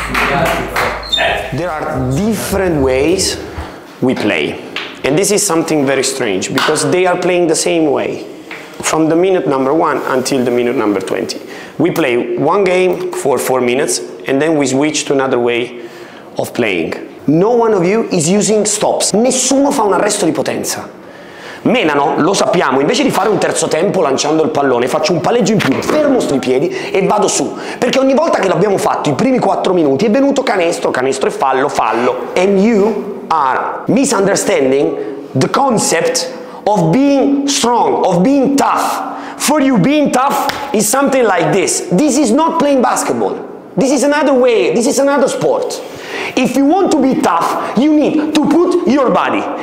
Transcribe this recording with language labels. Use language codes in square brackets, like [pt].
[en] There are different ways we play, and this is something very strange because they are playing the same way from the minute number one until the minute number 20. We play one game for 4 minutes and then we switch to another way of playing. No one of you is using stops. [it] Nessuno fa un arresto di potenza. Menano, lo sappiamo, invece di fare un terzo tempo lanciando il pallone, faccio un palleggio in più, fermo sui piedi e vado su. Perché ogni volta che l'abbiamo fatto, i primi 4 minuti, è venuto canestro, canestro e fallo, fallo. [en] And you are misunderstanding the concept of being strong, of being tough. For you, being tough is something like this. This is not playing basketball. This is another way, this is another sport. If you want to be tough, you need to put your body.